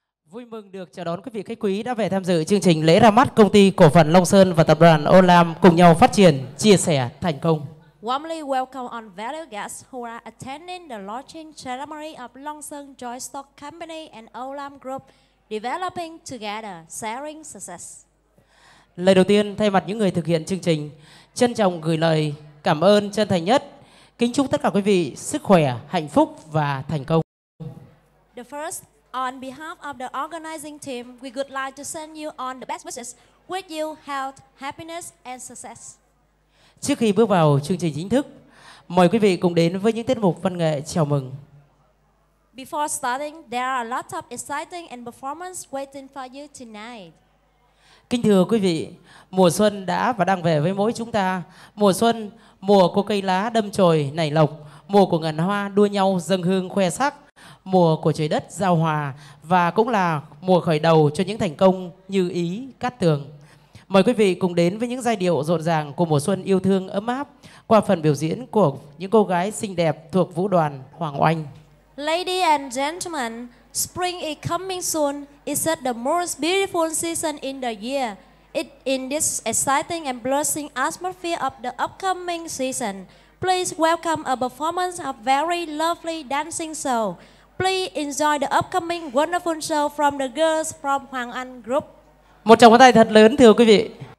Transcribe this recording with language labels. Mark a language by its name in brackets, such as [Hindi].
[Vietnamese] Vui mừng được chào đón quý vị khách quý đã về tham dự chương trình lễ ra mắt công ty cổ phần Long Sơn và tập đoàn Olam cùng nhau phát triển, chia sẻ, thành công. [English] Warmly welcome all valued guests who are attending the launching ceremony of Long Sơn Joint Stock Company and Olam Group developing together, sharing success. [Vietnamese] Lời đầu tiên, thay mặt những người thực hiện chương trình, trân trọng gửi lời cảm ơn chân thành nhất, kính chúc tất cả quý vị sức khỏe, hạnh phúc và thành công. [English] The first, on behalf of the organizing team, we would like to send you on the best wishes with you health, happiness and success. [Vietnamese] Trước khi bước vào chương trình chính thức, mời quý vị cùng đến với những tiết mục văn nghệ chào mừng. [English] Before starting, there are a lot of exciting and performance waiting for you tonight. [Vietnamese] Kính thưa quý vị, mùa xuân đã và đang về với mỗi chúng ta. Mùa xuân, mùa của cây lá đâm chồi nảy lộc, mùa của ngàn hoa đua nhau dâng hương khoe sắc, mùa của trời đất giao hòa và cũng là mùa khởi đầu cho những thành công như ý cát tường. Mời quý vị cùng đến với những giai điệu rộn ràng của mùa xuân yêu thương ấm áp qua phần biểu diễn của những cô gái xinh đẹp thuộc vũ đoàn Hoàng Oanh. [English] Ladies and gentlemen, spring is coming soon. It's the most beautiful season in the year. In this exciting and blessing atmosphere of the upcoming season, please welcome a performance of very lovely dancing show. Please enjoy the upcoming wonderful show from the girls from Hoàng Anh Group. [Vietnamese] Một tràng pháo tay thật lớn thưa quý vị.